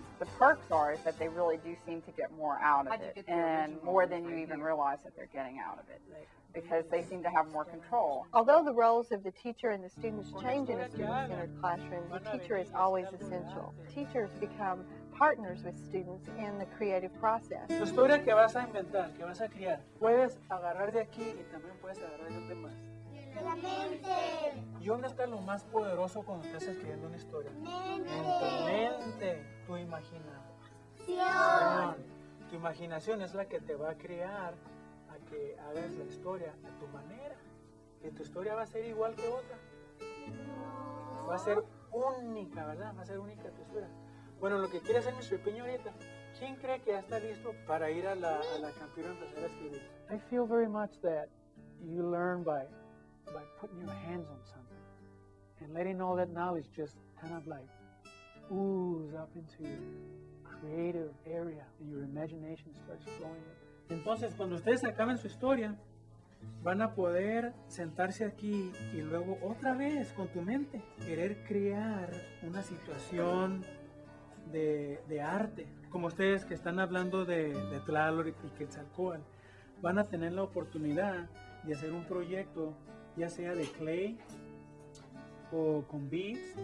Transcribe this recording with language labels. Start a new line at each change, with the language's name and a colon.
English: The perks are that they really do seem to get more out of it, and more than you even realize that they're getting out of it. Because they seem to have more control. Although the roles of the teacher and the students change in a student-centered classroom, the teacher is always essential. Teachers become partners with students in the creative process.
Spanish: La historia que vas a inventar, que vas a crear, puedes agarrar de aquí y también puedes agarrar de los demás. La mente. ¿Y dónde está lo más poderoso cuando estás escribiendo una historia? Mente. En tu mente, tu imaginación. Tu imaginación es la que te va a crear a que hagas la historia a tu manera. Y tu historia va a ser igual que otra. No. Va a ser única, ¿verdad? Va a ser única tu historia. Bueno, lo que quiere hacer Mr. Piña ahorita, ¿quién cree que ya está listo para ir a la campira a empezar a escribir?
English: I feel very much that you learn by putting your hands on something and letting all that knowledge just kind of like ooze up into your creative area and your imagination starts flowing.
Spanish: Entonces, cuando ustedes acaben su historia, van a poder sentarse aquí y luego otra vez con tu mente querer crear una situación de arte, como ustedes que están hablando de Tlaloc y Quetzalcóatl, van a tener la oportunidad de hacer un proyecto, ya sea de clay o con beads.